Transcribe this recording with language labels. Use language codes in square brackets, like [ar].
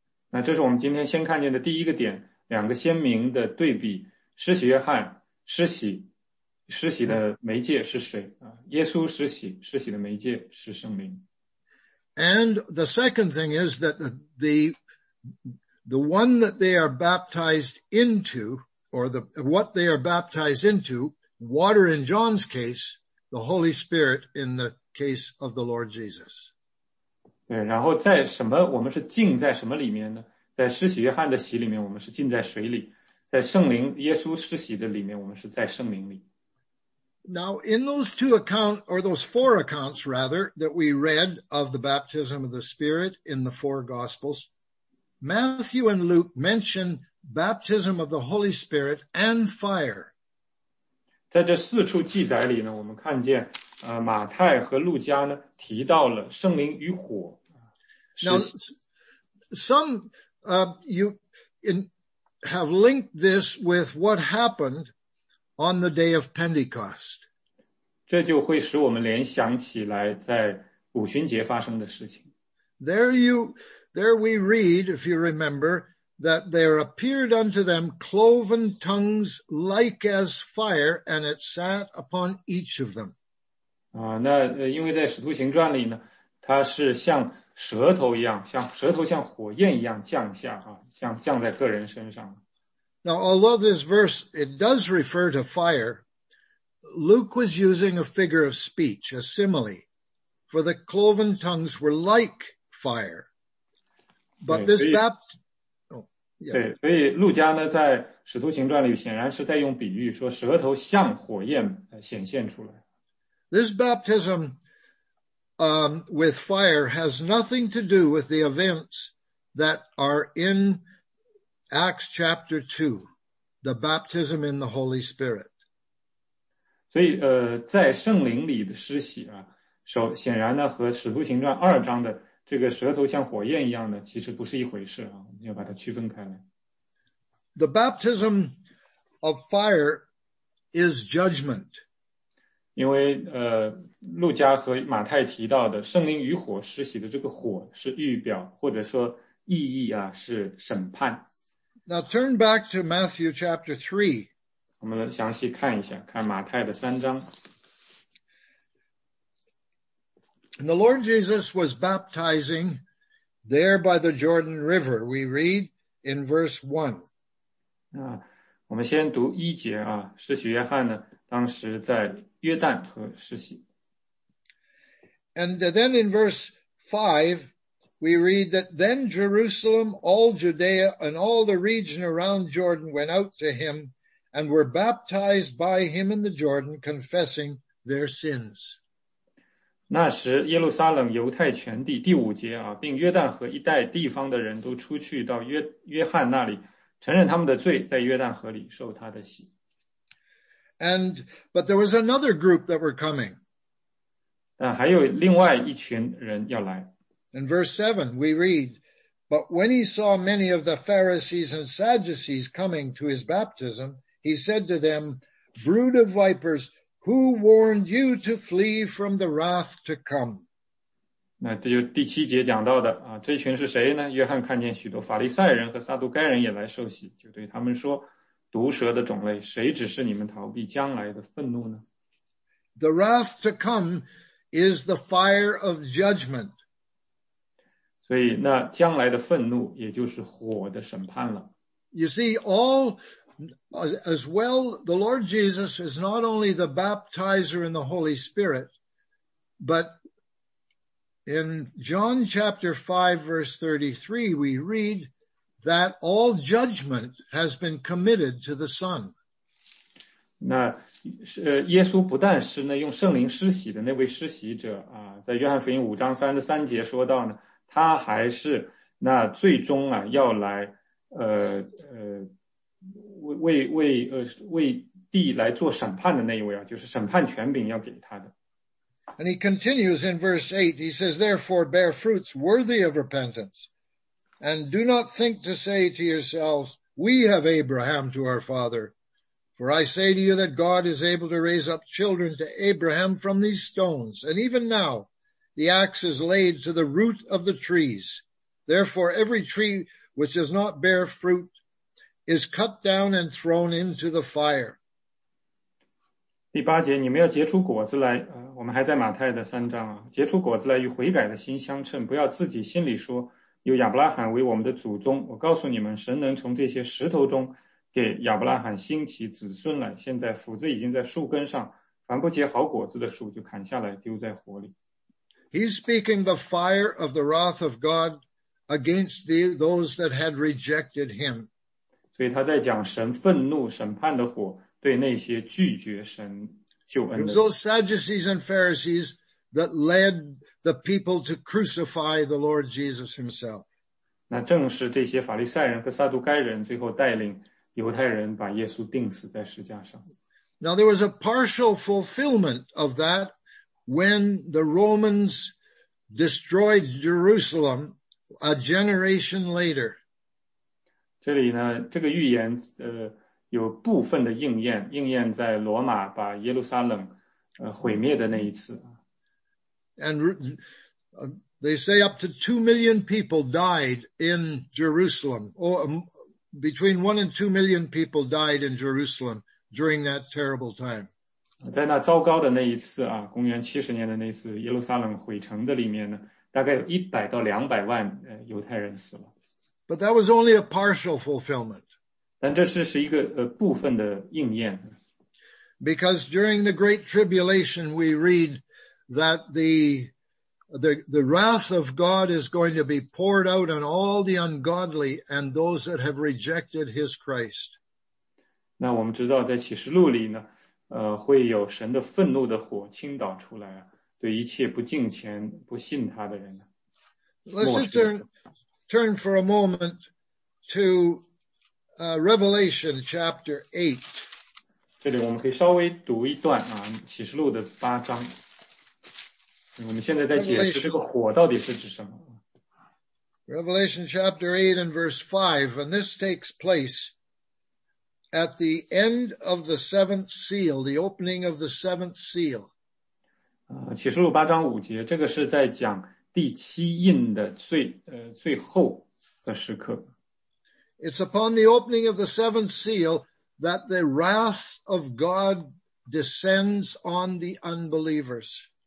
[zh] 那这是我们今天先看见的第一个点，两个鲜明的对比，施洗约翰施洗。施洗的媒介是水，耶稣施洗，施洗的媒介是圣灵。 [en] And the second thing is that the one that they are baptized into, or the, what they are baptized into, water in John's case, the Holy Spirit in the case of the Lord Jesus. [zh] 对，然后在什么，我们是浸在什么里面呢？在施洗约翰的洗里面，我们是浸在水里，在圣灵，耶稣施洗的里面，我们是在圣灵里。 [en] Now, in those two accounts, or those four accounts, rather, that we read of the baptism of the Spirit in the four Gospels, Matthew and Luke mention baptism of the Holy Spirit and fire. [zh] 在这四处记载里呢，我们看见，马太和路加呢，提到了圣灵与火。 [en] Now, some, you in, have linked this with what happened on the day of Pentecost. [zh] 这就会使我们联想起来在五旬节发生的事情。 [en] There we read, if you remember, that there appeared unto them cloven tongues like as fire, and it sat upon each of them. [zh] 那因为在使徒行传里呢，它是像舌头一样，像舌头像火焰一样降下啊，降在个人身上。 [en] Now, although this verse, it does refer to fire, Luke was using a figure of speech, a simile, for the cloven tongues were like fire. But this baptism, [zh] 对，所以路加呢，在使徒行传里显然是在用比喻，说舌头像火焰显现出来。 [en] This baptism, with fire has nothing to do with the events that are in Acts chapter 2, the baptism in the Holy Spirit. [zh] 所以在圣灵里的施洗啊，显然呢和使徒行传二章的这个舌头像火焰一样的其实不是一回事啊，要把它区分开来。 [en] The baptism of fire is judgment. [zh] 因为路加和马太提到的圣灵与火施洗的这个火是预表或者说意义啊是审判。 [en] Now turn back to Matthew chapter 3. [zh] 我们详细看一下，看马太的三章。 [en] And the Lord Jesus was baptizing there by the Jordan River. We read in verse 1. [zh] 我们先读一节啊，施洗约翰呢，当时在约旦河施洗。 [en] And then in verse 5, we read that then Jerusalem, all Judea, and all the region around Jordan went out to him and were baptized by him in the Jordan, confessing their sins. [zh] 那时耶路撒冷犹太全地第五节啊，并约旦河一带地方的人都出去到 约翰那里承认他们的罪，在约旦河里受他的洗。 [en] But there was another group that were coming. [zh] 但还有另外一群人要来。 [en] In verse 7, we read, But when he saw many of the Pharisees and Sadducees coming to his baptism, he said to them, Brood of vipers, who warned you to flee from the wrath to come? [zh] 那这就第七节讲到的啊，这群是谁呢？约翰看见许多法利赛人和撒都该人也来受洗，就对他们说，毒蛇的种类，谁指示你们逃避将来的愤怒呢？ [en] The wrath to come is the fire of judgment. [zh] 所以那将来的愤怒也就是火的审判了。 [en] You see, all as well, the Lord Jesus is not only the baptizer in the Holy Spirit, but in John chapter 5 verse 33, we read that all judgment has been committed to the Son. [zh] 那耶稣不但是呢用圣灵施洗的那位施洗者啊，在约翰福音五章三十三节说到呢，他还是那最终啊要来为地来做审判的那一位啊，就是审判权柄要给他的。 [en] And he continues in verse 8, he says, therefore bear fruits worthy of repentance. And do not think to say to yourselves, we have Abraham to our father. For I say to you that God is able to raise up children to Abraham from these stones. And even now, the axe is laid to the root of the trees. Therefore every tree which does not bear fruit is cut down and thrown into the fire. [zh] 第八节，你们要结出果子来。我们还在马太的三章啊，结出果子来与悔改的心相称，不要自己心里说，有亚伯拉罕为我们的祖宗。我告诉你们，神能从这些石头中给亚伯拉罕兴起子孙来。现在斧子已经在树根上，凡不结好果子的树就砍下来丢在火里。 [en] He's speaking the fire of the wrath of God against those that had rejected him. [zh] 所以他在讲神愤怒审判的火对那些拒绝神救恩的。 [en] It was those Sadducees and Pharisees that led the people to crucify the Lord Jesus himself. [zh] 那正是这些法利赛人和撒都该人最后带领犹太人把耶稣钉死在十架上。 [en] Now there was a partial fulfillment of that when the Romans destroyed Jerusalem a generation later. [zh] 这里呢，这个预言有部分的应验，应验在罗马把耶路撒冷毁灭的那一次。 [en] And they say up to 2 million people died in Jerusalem, or between 1 and 2 million people died in Jerusalem during that terrible time. [zh] 在那糟糕的那一次啊，公元七十年的那一次耶路撒冷毁城的里面呢，大概有100到200万犹太人死了。 [en] But that was only a partial fulfillment. [zh] 但这是一个部分的应验。 [en] Because during the Great Tribulation, we read that the wrath of God is going to be poured out on all the ungodly and those that have rejected His Christ. [zh] 那我们知道，在启示录里呢，会有神的愤怒的火倾倒出来，对一切不敬虔、不信他的人。 [en] Let's just turn for a moment to. Revelation chapter 8. [zh] 这里我们可以稍微读一段啊，启示录的八章。我们现在在解释这个火到底是指什么。 [en] Revelation chapter 8 and verse 5, and this takes place at the end of the seventh seal, the opening of the seventh seal. [zh] 启示录八章五节，这个是在讲第七印的最后的时刻。 [en] It's upon the opening of the seventh seal that the wrath of God descends on the unbelievers.